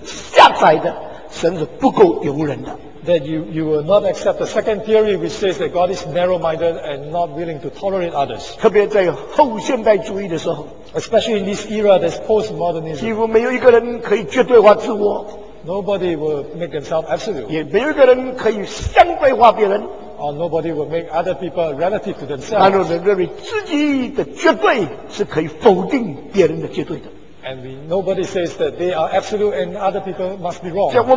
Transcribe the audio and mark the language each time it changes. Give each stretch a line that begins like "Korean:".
Chinese: 那你就不会接受第二个思想，神是排他的，神是狭窄的，神是不够容人的。
English: That you will not accept the second theory, which says that God is narrow-minded and not willing to tolerate others.
Chinese: 特别在后现代主义的时候,
English: especially in this era, there's postmodernism.
Chinese: 几乎没有一个人可以绝对化自我。
English: Nobody will make themselves absolute.
Chinese: 也没有一个人可以相对化别人。
English: Or nobody will make other people relative to themselves.
Chinese: 那种人认为自己的绝对是可以否定别人的绝对的。
English: And nobody says that they are absolute and other people must be wrong.